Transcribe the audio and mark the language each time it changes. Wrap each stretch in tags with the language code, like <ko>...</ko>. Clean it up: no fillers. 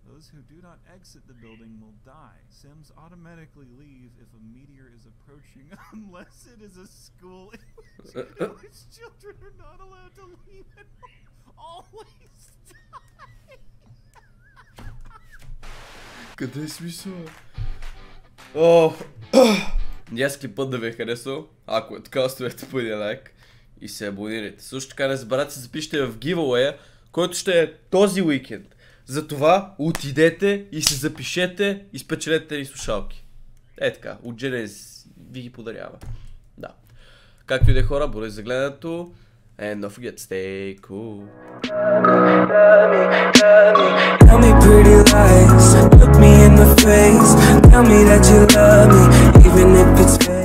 <en>Those who do not exit the building will die. Sims automatically leave if a meteor is approaching, unless it is a school. Which children are not allowed to leave and always die.</en> <bg>Къде е смисъл? Днеска път да ви е харесал. Ако е така, оставете по един лайк и се абонирайте. Също така не забравяйте да запишете в giveaway, който ще е този уикенд. Затова отидете и се запишете и спечелете ни слушалки. Е така, от Genes ви ги подарява. Да. Както и да е, хора, благодаря за гледането.</bg> <en>And don't forget, stay cool. Tell me pretty lies. Look me in the face. Tell me that you love me. Even if it's</en>